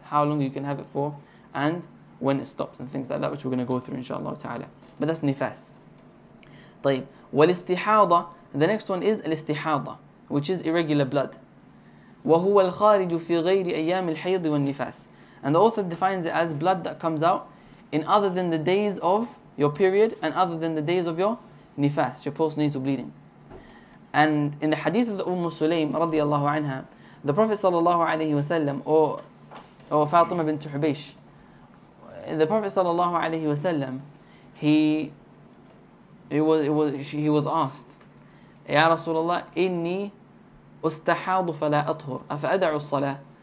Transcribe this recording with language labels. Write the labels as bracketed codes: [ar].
[en] How long you can have it for and when it stops and things like that, which we're going to go through inshallah ta'ala. But that's nifas. [ar] طيب. والاستحاضه. [en] The next one is الاستحاضه, which is irregular blood. [ar] وهو الخارج في غير أيام الحيض والنفاس. [en] And the author defines it as blood that comes out in other than the days of your period and other than the days of your nifas, your postnatal bleeding. And in the hadith of the Umm Sulaym radiallahu anha, the Prophet sallallahu alayhi wasallam, or Fatima bint Hubaysh, the Prophet sallallahu alayhi wasallam, he was asked, Ya Rasulullah, [ar] inni ustahadu fala athur, afa'ad'u salah.